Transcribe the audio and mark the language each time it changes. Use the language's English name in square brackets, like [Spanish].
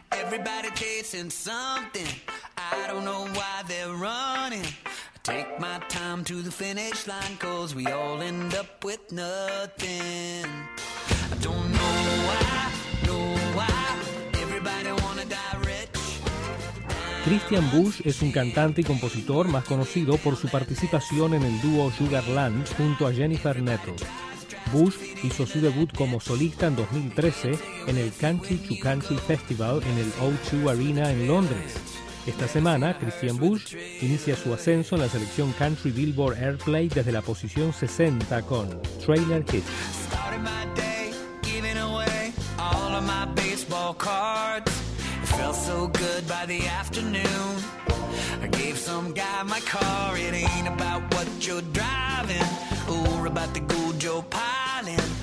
[English] Everybody chasing something, I don't know why they're running. I take my time to the finish line, cause we all end up with nothing. I don't know why, everybody wanna die rich. [Spanish] Christian Bush es un cantante y compositor más conocido por su participación en el dúo Sugarland junto a Jennifer Nettles. Bush hizo su debut como solista en 2013 en el Country to Country Festival en el O2 Arena en Londres. Esta semana, Christian Bush inicia su ascenso en la selección Country Billboard Airplay desde la posición 60 con Trailer Hitch. [English] Started my day giving away all of my baseball cards. It felt so good by the afternoon. I gave some guy my car. It ain't about what you're driving or about the gold you're piling.